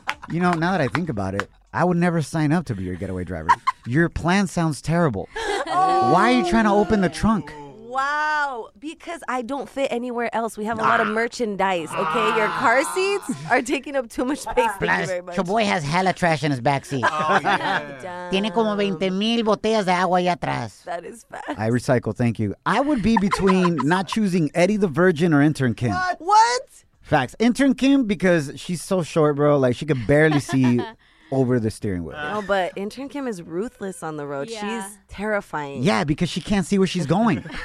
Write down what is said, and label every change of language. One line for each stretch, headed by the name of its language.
English: You know, now that I think about it, I would never sign up to be your getaway driver. Your plan sounds terrible. Oh, why are you trying to open the trunk? Wow, because I don't fit anywhere else. We have a lot of merchandise, okay? Your car seats are taking up too much space. Plus, thank you very much. Your boy has hella trash in his back seat. Oh, yeah.
Spanish: Tiene como 20 mil botellas de agua allá atrás.
English: That is fast. I recycle, thank you. I would be between not choosing Eddie the Virgin or Intern Kim. What? Facts. Intern Kim, because she's so short, bro. Like, she could barely see... over the steering wheel. No, but intern Kim is ruthless on the road. Yeah. She's terrifying. Yeah, because she can't see where she's going.